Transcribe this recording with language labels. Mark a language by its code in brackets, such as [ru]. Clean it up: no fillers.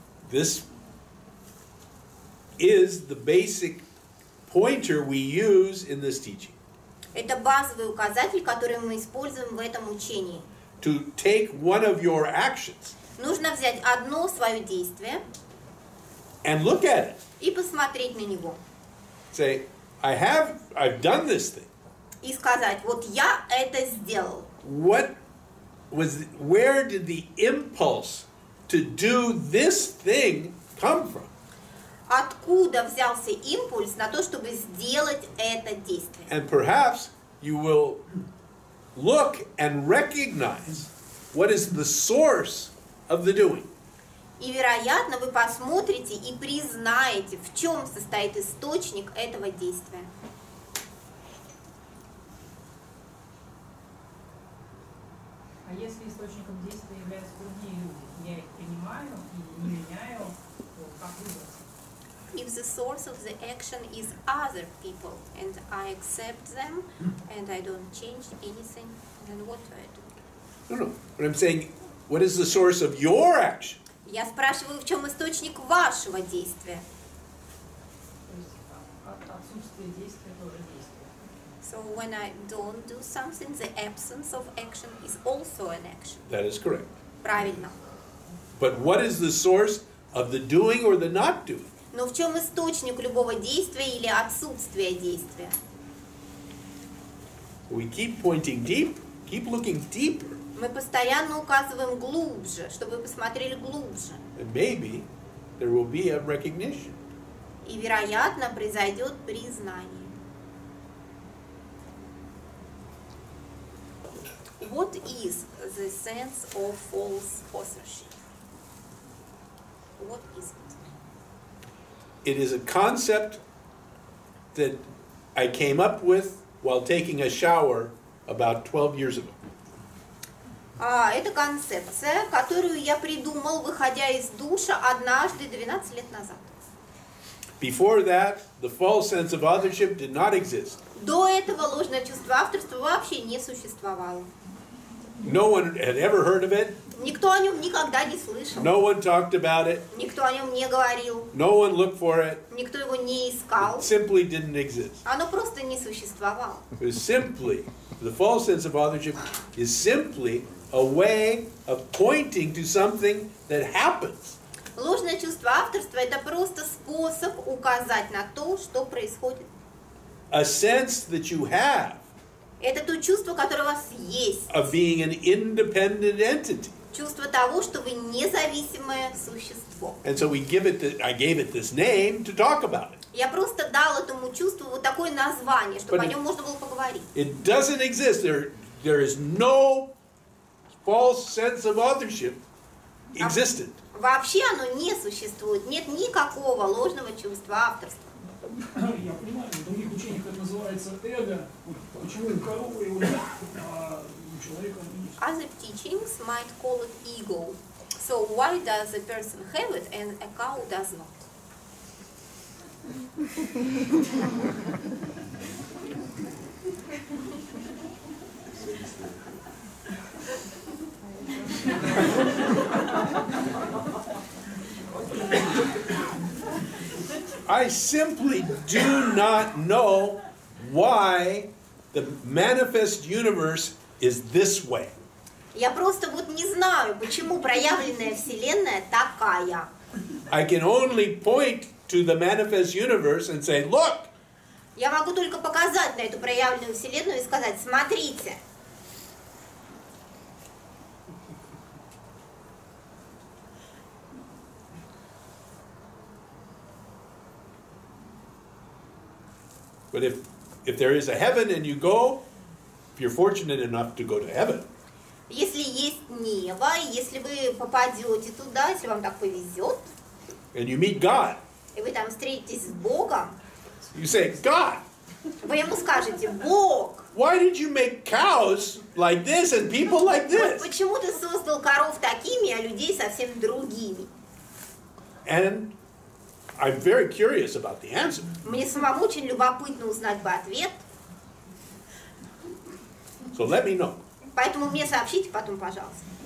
[en] This is the basic pointer we use in this teaching. [ru] Это базовый указатель, который мы используем в этом учении. [en] To take one of your actions. [ru] Нужно взять одно свое действие. [en] And look at it. [ru] И посмотреть на него. [en] Say, I've done this thing. [ru] И сказать, вот я это сделал. [en] Where did the impulse to do this thing come from? [ru] Откуда взялся импульс на то, чтобы сделать это действие? [en] And perhaps you will look and recognize what is the source of the doing. [ru] И, вероятно, вы посмотрите и признаете, в чем состоит источник этого действия. А если источником действия являются другие люди, я их принимаю и не меняю, то как выбрать? [en] If the source of the action is other people, and I accept them, and I don't change anything, then what do I do? No. But I'm saying, what is the source of your action? [ru] Я спрашиваю, в чем источник вашего действия? Отсутствие действия тоже действие. [en] So when I don't do something, the absence of action is also an action. That is correct. [ru] Правильно. [en] But what is the source of the doing or the not doing? [ru] Но в чем источник любого действия или отсутствие действия? [en] We keep pointing deep, keep looking deeper. [ru] Мы постоянно указываем глубже, чтобы вы посмотрели глубже. [en] And maybe there will be a recognition. [ru] И, вероятно, произойдет признание. [en] What is the sense of false possession? What is it? It is a concept that I came up with while taking a shower about 12 years ago. [ru] Это концепция, которую я придумал, выходя из душа однажды 12 лет назад. [en] Before that, the false sense of authorship did not exist. [ru] До этого ложное чувство авторства вообще не существовало. [en] No one had ever heard of it. [ru] Никто о нем никогда не слышал. [en] No one talked about it. [ru] Никто о нем не говорил. [en] No one looked for it. [ru] Никто его не искал. [en] It simply didn't exist. [ru] Оно просто не существовало. [en] It was simply, the false sense of authorship is simply a way of pointing to something that happens. [ru] Ложное чувство авторства – это просто способ указать на то, что происходит. [en] A sense that you have. [ru] Это то чувство, которое у вас есть. [en] Of being an independent entity. [ru] Чувство того, что вы независимое существо. [en] And so we give it the, I gave it this name to talk about it. [ru] Я просто дал этому чувству вот такое название, чтобы [en] But [ru] о нем можно было поговорить. [en] It doesn't exist. There is no false sense of authorship existent. [ru] Вообще оно не существует. Нет никакого ложного чувства авторства. Я понимаю, в других учениях это называется эго. Почему у коровы его у человека нет? [en] Other teachings might call it ego. So why does a person have it and a cow does not? I simply do not know why the manifest universe is this way. [ru] Я просто вот не знаю, почему проявленная вселенная такая. [en] I can only point to the manifest universe and say, look. [ru] Я могу только показать на эту проявленную вселенную и сказать, смотрите. [en] But if there is a heaven and you go, if you're fortunate enough to go to heaven. [ru] Если есть небо, если вы попадете туда, если вам так повезет. [en] And you meet God. [ru] И вы там встретитесь с Богом. [en] You say, God. [ru] Вы ему скажете, Бог. [en] Why did you make cows like this and people like this? [ru] Почему ты создал коров такими, а людей совсем другими? [en] And I'm very curious about the answer. [ru] Мне самому очень любопытно узнать бы ответ. [en] So let me know. [ru] Поэтому мне сообщите потом, пожалуйста.